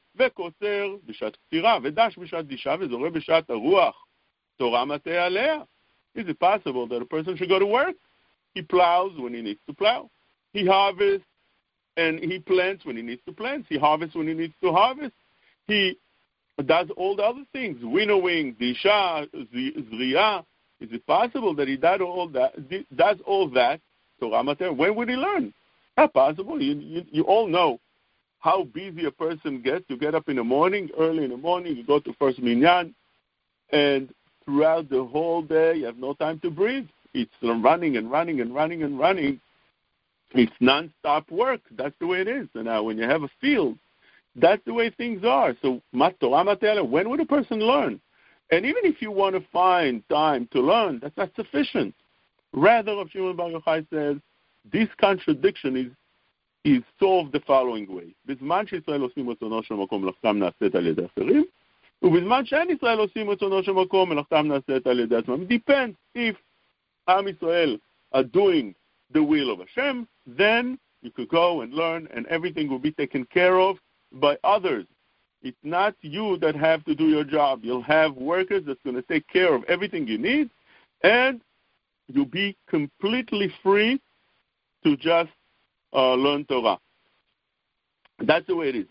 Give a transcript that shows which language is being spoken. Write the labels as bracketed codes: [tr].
[he] וקוצר בשעת קטירה, ודש בשעת דישה, וזורה בשעת הרוח. תורה מתה עליה. [en] Is it possible that a person should go to work? He plows when he needs to plow. He harvests and he plants when he needs to plant. He harvests when he needs to harvest. He does all the other things. Winnowing, disha, zriya. Is it possible that he does all that? Torah mateh. When would he learn? Not possible. You all know how busy a person gets. You get up in the morning, early in the morning, you go to first minyan, and throughout the whole day, you have no time to breathe. It's running and running and running and running. It's non-stop work. That's the way it is. And now when you have a field, that's the way things are. So, when would a person learn? And even if you want to find time to learn, that's not sufficient. Rather, Rav Shimon Bar Yochai says, this contradiction is solved the following way. [he] בזמן שישראל עושים רצונו של מקום, מלאכתם נעשית על ידי אחרים. ובזמן שאין ישראל עושים רצונו של מקום, מלאכתם נעשית על ידי עצמם. [en] Depends if Am Israel are doing the will of Hashem, then you could go and learn and everything will be taken care of by others. It's not you that have to do your job. You'll have workers that's going to take care of everything you need, and you'll be completely free to just learn Torah. That's the way it is.